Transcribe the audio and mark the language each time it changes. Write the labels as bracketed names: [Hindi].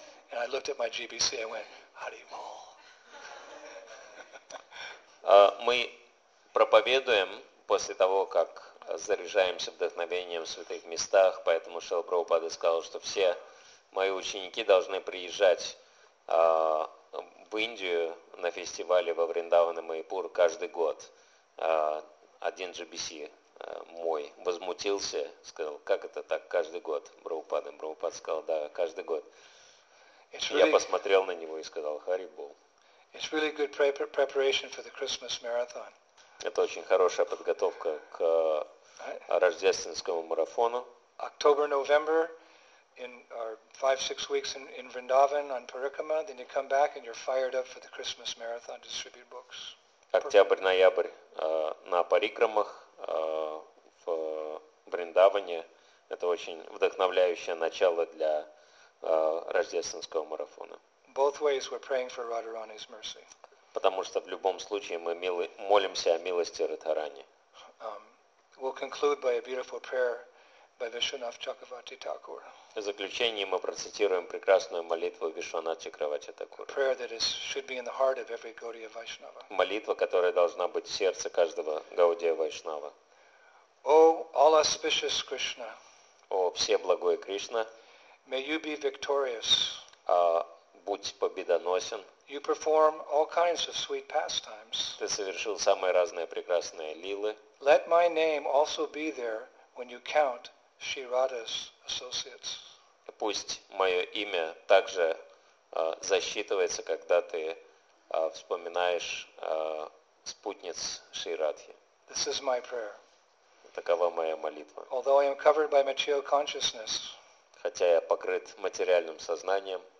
[English] And I looked at my GBC, I went, Haribol. [Russian] Мы проповедуем после того, как заряжаемся вдохновением в святых местах, поэтому Шрила Прабхупада сказал, что все мои ученики должны приезжать в Индию на фестивале во Вриндаван и Майпур каждый год. Один GBC мой возмутился, сказал, как это так, каждый год, Прабхупада? Прабхупада сказал, да, каждый год. Я посмотрел на него и сказал, Харибол. [English] It's really good preparation for the Christmas marathon. [Russian] Это очень хорошая подготовка к рождественскому марафону. [English] October, November, in our 5-6 weeks in Vrindavan on Parikrama, then you come back and you're fired up for the Christmas marathon. Distribute books. [Russian] Октябрь, ноябрь на парикрамах в Вриндаване. Это очень вдохновляющее начало для рождественского марафона. [English] Both ways we're praying for Radharani's mercy. [Russian] Потому что в любом случае мы молимся о милости Радхарани. [English] We'll conclude by a beautiful prayer by Vishwanath Chakravarti Thakur. [Russian] В заключении мы процитируем прекрасную молитву Вишванат Чакравати Такура. [English] Prayer that should be in the heart of every Gaudiya Vaishnava. [Russian] Молитва, которая должна быть в сердце каждого Гаудия Вайшнава. [English] O all auspicious Krishna. [Russian] О, все благой Кришна. [English] May you be victorious. [Russian] Будь победоносен. [English] You perform all kinds of sweet pastimes. [Russian] Ты совершил самые разные прекрасные лилы. [English] Let my name also be there when you count Shri Radha's associates. [Russian] Пусть мое имя также засчитывается, когда ты вспоминаешь спутниц Шри Радхи. [English] This is my prayer. [Russian] Такова моя молитва. [English] Although I am covered by material consciousness. [Russian] Хотя я покрыт материальным сознанием.